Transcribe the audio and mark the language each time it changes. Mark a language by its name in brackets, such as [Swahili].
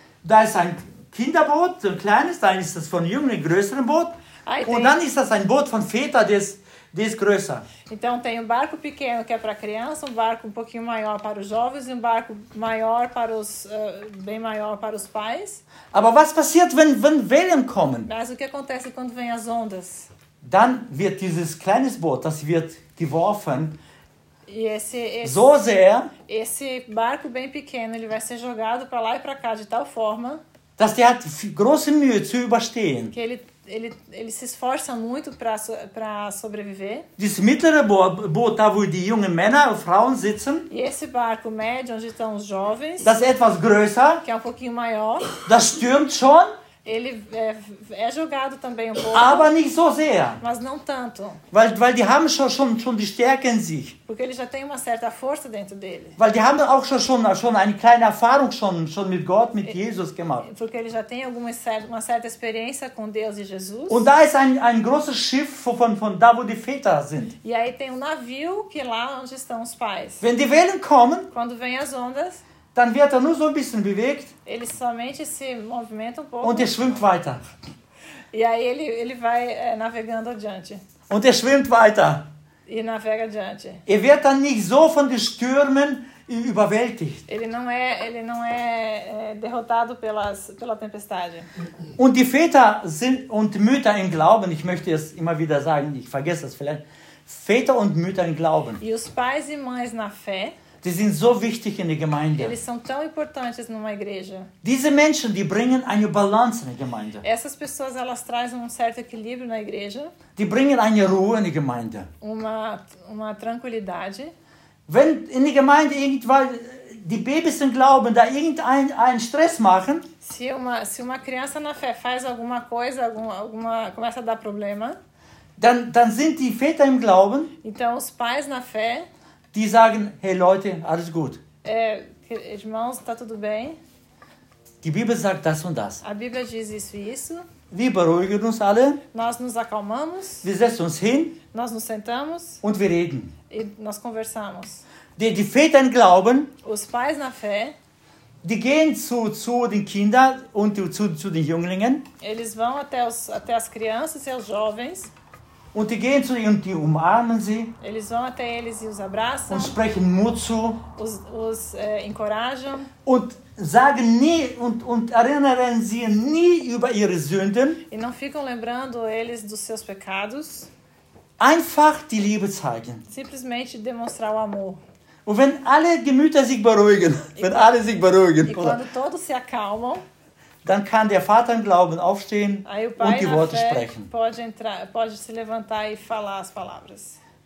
[German] Da ist ein Kinderboot, so ein kleines, dann ist das von jungen, ein größeres Boot. Und dann ist das ein Boot von Väter, das größer. [Portuguese] Então tem um barco pequeno que é para criança, um barco um pouquinho maior para os jovens e um barco maior para os bem maior para os pais. [German] Aber was passiert, wenn Wellen kommen? [Portuguese] Mas o que acontece quando vêm as ondas? [German] Dann wird dieses kleine Boot, das wird geworfen. [Portuguese] Esse [German] so sehr, [Portuguese] esse barco bem pequeno, ele vai ser jogado para lá e para cá de tal forma, [German] dass der hat große Mühe zu überstehen. [Portuguese] Que ele se esforça muito para sobreviver. [German] Dieses mittlere Boot, wo die jungen Männer und Frauen sitzen. [Portuguese] E esse barco médio, onde estão os jovens. [German] Das etwas größer. [Portuguese] Que é um pouquinho maior. [German] Das stürmt schon. [Portuguese] Ele é jogado também um pouco. [German] Aber nicht so sehr. [Portuguese] Mas não tanto. [German] Weil die haben schon die Stärke in sich. [Portuguese] Porque ele já tem uma certa força dentro dele. [German] Weil die haben auch schon eine kleine Erfahrung schon mit Gott, mit Jesus gemacht. [Portuguese] Porque ele já tem uma certa experiência com Deus e Jesus. [German] Und da ist ein großes Schiff von da, wo die Väter sind. [Portuguese] E aí tem um navio que lá onde estão os pais. [German] Wenn die Wellen kommen, [Portuguese] quando vêm as ondas, [German] dann wird nur so ein bisschen bewegt. [Portuguese] Ele somente se movimenta pouco. [German] Und schwimmt weiter. [Portuguese] E aí ele vai navegando adiante. [German] Und schwimmt weiter. [Portuguese] E navega adiante. [German] Er wird dann nicht so von den Stürmen überwältigt. [Portuguese] Ele não é derrotado pela tempestade. [German] Und die Väter sind und Mütter im Glauben, ich möchte es immer wieder sagen, ich vergesse es vielleicht. Väter und Mütter im Glauben. [Portuguese] E os pais e mães na fé. [German] Die sind so wichtig in der Gemeinde. [Portuguese] Eles são tão importantes numa igreja. [German] Diese Menschen, die bringen eine Balance in die Gemeinde. [Portuguese] Essas pessoas, elas trazem certo equilíbrio na igreja. [German] Die bringen eine Ruhe in die Gemeinde. [Portuguese] Uma tranquilidade. [German] Wenn in der Gemeinde irgendwann die Babys im Glauben da irgendein Stress machen, [Portuguese] se uma criança na fé faz alguma coisa, alguma começa a dar problema, [German] dann sind die Väter im Glauben. [Portuguese] Então os pais na fé, [German] die sagen, hey Leute, alles gut. [Portuguese] Irmãos, tá tudo bem? [German] Die Bibel sagt das und das. [Portuguese] A Bíblia diz isso e isso. [German] Wir beruhigen uns alle. [Portuguese] Nós nos acalmamos. [German] Wir setzen uns hin. [Portuguese] Nós nos sentamos. [German] Und wir reden. [Portuguese] E nós conversamos. [German] Die Väter glauben. [Portuguese] Os pais na fé. [German] Die gehen zu den Kindern und zu den Jünglingen. [Portuguese] Eles vão até as crianças e aos jovens. [German] Und die gehen zu ihnen und die umarmen sie. [Portuguese] Eles vão até eles e os abraçam. [German] Und sprechen Mut zu. [Portuguese] Os encorajam. [German] Und sagen nie und erinnern sie nie über ihre Sünden. [Portuguese] E não ficam lembrando eles dos seus pecados. [German] Einfach die Liebe zeigen. [Portuguese] Simplesmente demonstrar o amor. [German] Und wenn alle Gemüter sich beruhigen, wenn alle sich beruhigen. [Portuguese] E quando todos se acalmam, [German] dann kann der Vater im Glauben aufstehen und die Worte sprechen. [Portuguese] Pode entrar, pode se levantar e falar as palavras.